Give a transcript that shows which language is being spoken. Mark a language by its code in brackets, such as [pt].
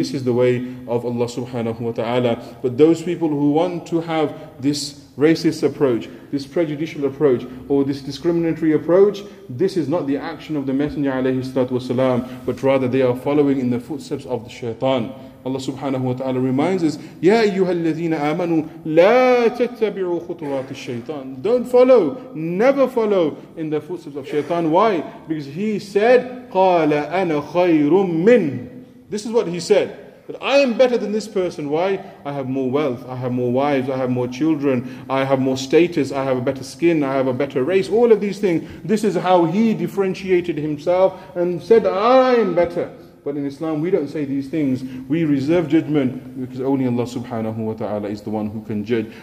[en] This is the way of Allah subhanahu wa ta'ala. But those people who want to have this racist approach, this prejudicial approach, or this discriminatory approach, this is not the action of the Messenger alayhi salatu wasalam, but rather they are following in the footsteps of the shaitan. [ar] Allah subhanahu wa ta'ala [en] reminds us, [ar] يَا أَيُّهَا الَّذِينَ آمَنُوا لَا تَتَّبِعُوا خُطُوَاتِ الشَّيْطَانِ. [en] Don't follow, never follow in the footsteps of shaitan. Why? Because he said, [ar] قَالَ أَنَا خَيْرٌ مِّنْ. [en] This is what he said, that I am better than this person. Why? I have more wealth, I have more wives, I have more children, I have more status, I have a better skin, I have a better race, all of these things. This is how he differentiated himself and said, I am better. But in Islam, we don't say these things. We reserve judgment because only Allah subhanahu wa ta'ala is the one who can judge.